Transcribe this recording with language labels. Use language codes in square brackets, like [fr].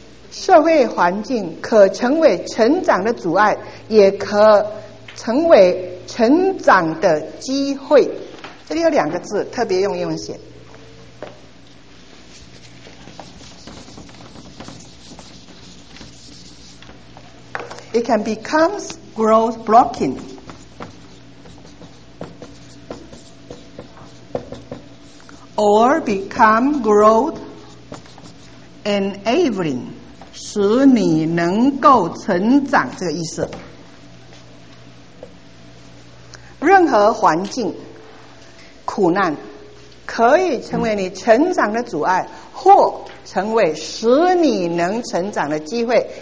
[zh] 社会环境可成为成长的阻碍，也可成为成长的机会。这里有两个字特别用英文写， [en] It can become growth blocking. Or become growth enabling. [zh] 使你能够成长，这个意思。任何环境苦难可以成为你成长的阻碍，或成为使你能成长的机会。